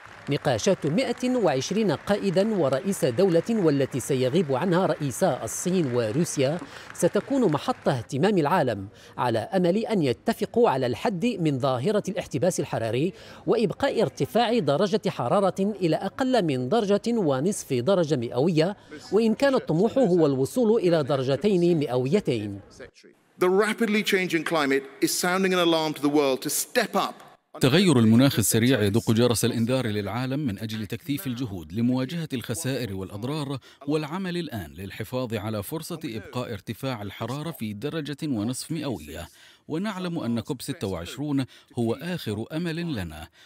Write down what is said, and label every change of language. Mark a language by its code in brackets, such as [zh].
[ar] نقاشات 120 قائداً ورئيس دولة والتي سيغيب عنها رئيسا الصين وروسيا ستكون محط اهتمام العالم على أمل أن يتفقوا على الحد من ظاهرة الاحتباس الحراري وإبقاء ارتفاع درجة حرارة إلى أقل من درجة ونصف درجة مئوية، وإن كان الطموح هو الوصول إلى درجتين مئويتين. [en] The rapidly changing climate is sounding an alarm to the world to step up. [ar] تغير المناخ السريع يدق جرس الإنذار للعالم من أجل تكثيف الجهود لمواجهة الخسائر والأضرار والعمل الآن للحفاظ على فرصة إبقاء ارتفاع الحرارة في درجة ونصف مئوية، ونعلم أن COP26 هو آخر أمل لنا.